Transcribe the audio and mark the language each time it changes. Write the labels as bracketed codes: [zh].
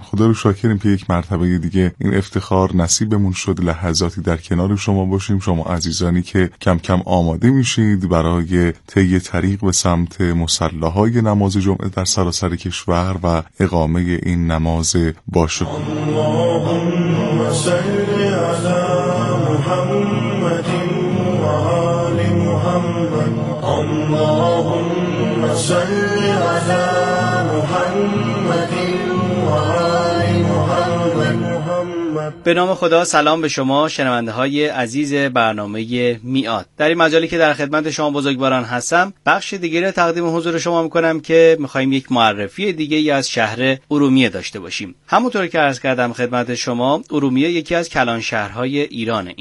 [fa] خدا رو شاکریم که یک مرتبه دیگه این افتخار نصیبمون شد لحظاتی در کنار شما باشیم. شما عزیزانی که کم کم آماده میشید برای طی طریق به سمت مصلاهای نماز جمعه در سراسر کشور و اقامه این نماز با [ar] اللهم صل على محمد وآل محمد اللهم صل على محمد وآل محمد. [fa] به نام خدا. سلام به شما شنونده های عزیز برنامه میعاد. در این مجالی که در خدمت شما بزرگواران هستم، بخش دیگری رو تقدیم حضور شما میکنم که میخواییم یک معرفی دیگه از شهر ارومیه داشته باشیم. همونطور که عرض کردم خدمت شما، ارومیه یکی از کلان شهرهای ایرانه.